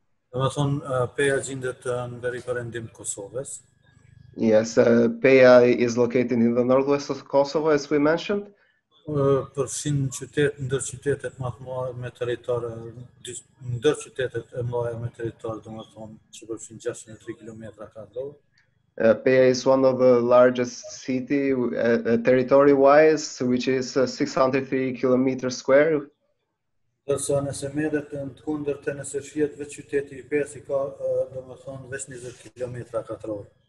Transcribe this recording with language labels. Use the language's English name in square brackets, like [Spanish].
[Albanian] Dhe më thonë, PEJ-a gjindet në veri përëndim Kosovës. [English] Yes, PEJ-a is located in the northwest of Kosovo, as we mentioned. [Albanian] Përfshin ndërqytetet me teritorë, ndërqytetet e mlaja me teritorë, dhe më thonë, që përfshin 603 km2. [English] Peja is one of the largest city territory wise, which is 603 kilometers square. [Albanian] Dërsa nëse merret në 250 vetë qyteti I Pesë ka domethënë vetëm 20 kilometra katror.